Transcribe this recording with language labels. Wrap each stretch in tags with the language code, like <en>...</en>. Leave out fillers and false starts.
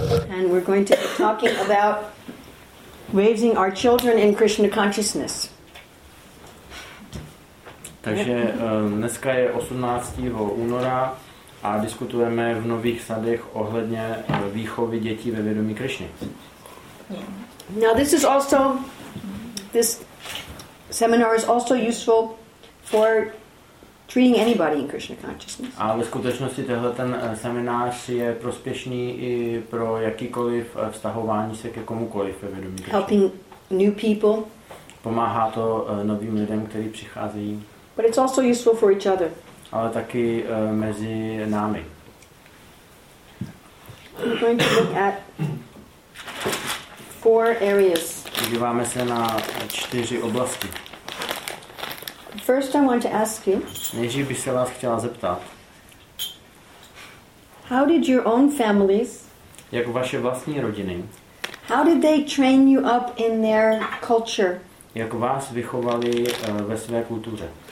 <en>And we're going to be talking about raising our children in Krishna consciousness.</en> <cs>Takže dneska je 18. února a diskutujeme v Nových sadech ohledně výchovy dětí ve vědomí Krišny.</cs> <en>Now this is also this seminar is also useful for treating anybody in Krishna consciousness.</en> <cs>A ve skutečnosti tenhle ten seminář je prospěšný i pro jakýkoliv vztahování se ke komukoliv ve vědomí Krišny.</cs> <en>Helping new people.</en> <cs>Pomáhá to novým lidem, kteří přicházejí.</cs> <en>But it's also useful for each other.</en> <cs>Ale taky mezi námi.</cs> <en>We're going to look at four areas.</en> <cs>Díváme se na čtyři oblasti.</cs> <en>First I want to ask you.</en> <cs>Nejdřív bych se vás chtěla zeptat.</cs> <en>How did your own families?</en> <cs>Jak vaše vlastní rodiny?</cs> <en>How did they train you up in their culture?</en> <cs>Jak vás vychovali ve své kultuře?</cs>